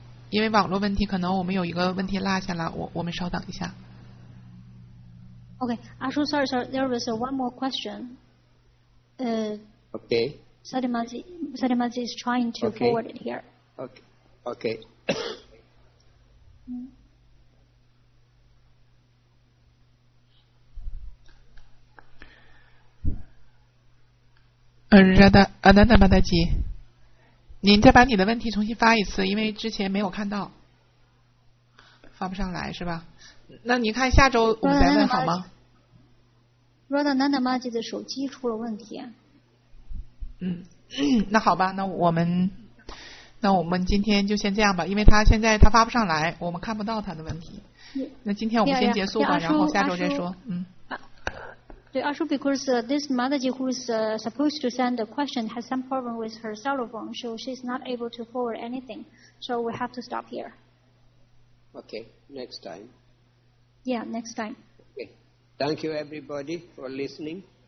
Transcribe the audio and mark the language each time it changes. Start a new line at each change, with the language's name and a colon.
Chinese: 因为网络问题，可能我们有一个问题落下了，我们稍等一下。
English: OK, Ashu, sorry, there was one more question. Okay. Sadimaji is trying to forward it here. Okay. Ananda Mataji.
Chinese: 您再把你的问题重新发一次，因为之前没有看到，发不上来是吧？那你看下周我们再问好吗？Rada Nanda Maji 的手机出了问题。那好吧，那我们今天就先这样吧，因为他现在发不上来，我们看不到他的问题。那今天我们先结束吧， yeah, 然后下周再说。
English: 对，阿叔 ，because this Mataji who is supposed to send the question has some problem with her cell phone, so she's not able to forward anything. So we have to stop here. Okay, next time. Yeah, next time. Okay, thank you everybody for listening.